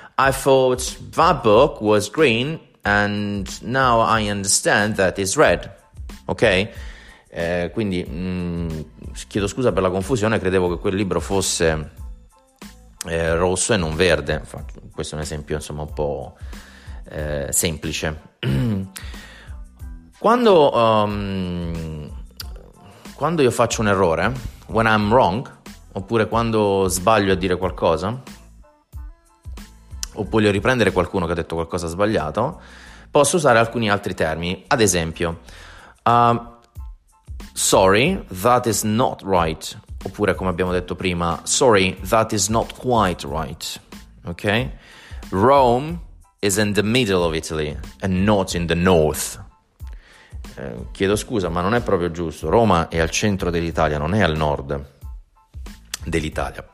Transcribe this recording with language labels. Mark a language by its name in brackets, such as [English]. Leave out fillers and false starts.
[English] I thought that book was green and now I understand that it's red. Ok? [Italian] Quindi chiedo scusa per la confusione, credevo che quel libro fosse rosso e non verde. Infatti, questo è un esempio, insomma, un po' semplice. Quando quando io faccio un errore, [English] when I'm wrong, [Italian] oppure quando sbaglio a dire qualcosa, o voglio riprendere qualcuno che ha detto qualcosa sbagliato, posso usare alcuni altri termini. Ad esempio, [English] sorry, that is not right. [Italian] Oppure, come abbiamo detto prima, [English] sorry, that is not quite right. Ok? Rome is in the middle of Italy and not in the north. [Italian] Chiedo scusa, ma non è proprio giusto. Roma è al centro dell'Italia, non è al nord dell'Italia.